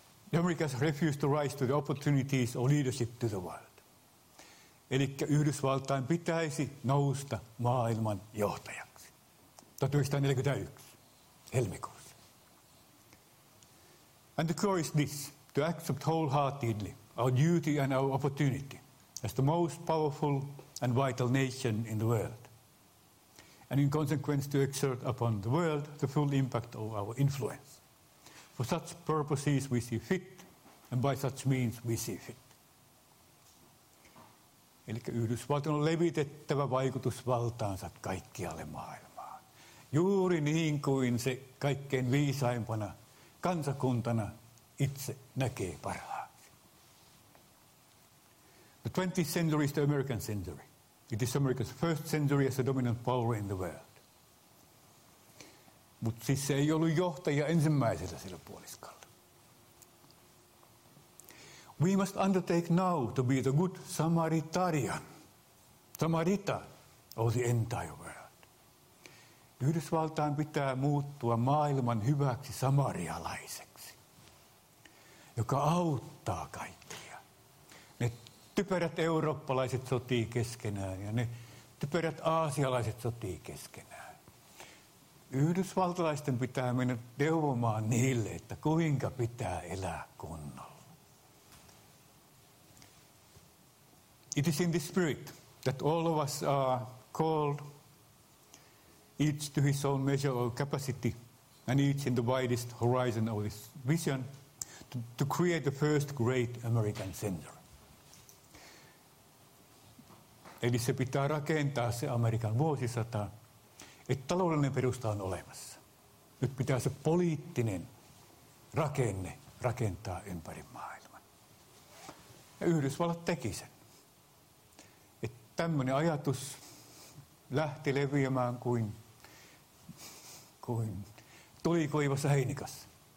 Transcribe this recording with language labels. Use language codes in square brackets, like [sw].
[en] The Americans refuse to rise to the opportunities or leadership to the world. [fi] Eli Yhdysvaltain pitäisi nousta maailman johtajaksi. 1941, helmikuussa. [en] And the core is this, to accept wholeheartedly our duty and our opportunity as the most powerful and vital nation in the world. And in consequence to exert upon the world the full impact of our influence. For such purposes we see fit, and by such means we see fit. [fi] Eli Yhdysvaltion on levitettävä vaikutusvaltaansa kaikkialle maailmaan. Juuri niin kuin se kaikkein viisaimpana kansakuntana itse näkee parhaaksi. [en] The 20th century is the American century. It is America's first century as a dominant power in the world. [fi] Mutta siis se ei ollut johtaja ensimmäisellä sillä puoliskalla. [en] We must undertake now to be the good Samaritan of the entire world. [fi] Yhdysvaltain pitää muuttua maailman hyväksi samarialaiseksi, joka auttaa kaikkia. Ne typerät eurooppalaiset sotii keskenään ja ne typerät aasialaiset sotii keskenään. Yhdysvaltalaisten pitää mennä neuvomaan niille, että kuinka pitää elää kunnolla. [en] It is in the spirit that all of us are called, each to his own measure of capacity, and each in the widest horizon of his vision, to create the first great American center. [fi] Eli se pitää rakentaa se Amerikan vuosisata, että taloudellinen perusta on olemassa. Nyt pitää se poliittinen rakenne rakentaa ympäri maailman. Ja Yhdysvallat teki sen. Että tämmöinen ajatus lähti leviämään kuin tulikoivassa heinikassa.